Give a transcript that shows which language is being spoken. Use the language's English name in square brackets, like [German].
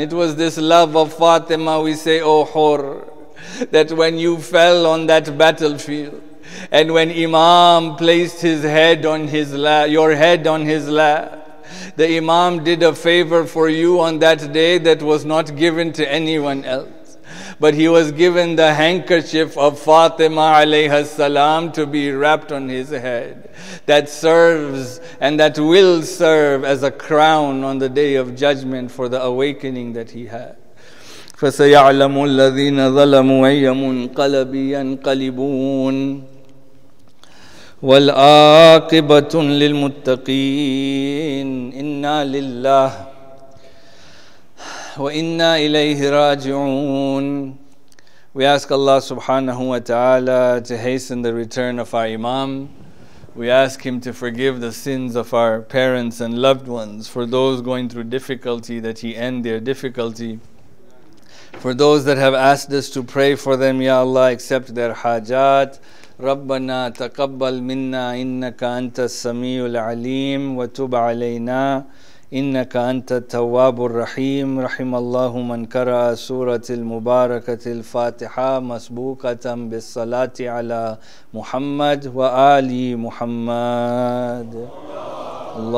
[English] It was this love of Fatima, we say, oh Hur, that when you fell on that battlefield, and when Imam placed his head on his lap, your head on his lap, the Imam did a favor for you on that day that was not given to anyone else. But he was given the handkerchief of Fatima alayha salam to be wrapped on his head. That serves and that will serve as a crown on the day of judgment for the awakening that he had. [Arabic] فَسَيَعْلَمُ الَّذِينَ ظَلَمُوا أَيَّمٌ قَلَبِ يَنْقَلِبُونَ والعاقبة للمتقين إنا لله وإنا إليه راجعون. [English] We ask Allah subhanahu wa ta'ala to hasten the return of our Imam. We ask Him to forgive the sins of our parents and loved ones, for those going through difficulty, that He end their difficulty. For those that have asked us to pray for them, Ya Allah, accept their hajat. [Arabic] ربنا تقبل منا إنك أنت السميع العليم وتب علينا إنك أنت التواب الرحيم رحم الله من قرأ سورة المباركة الفاتحة مسبوقة بالصلاة على محمد وآل محمد. الله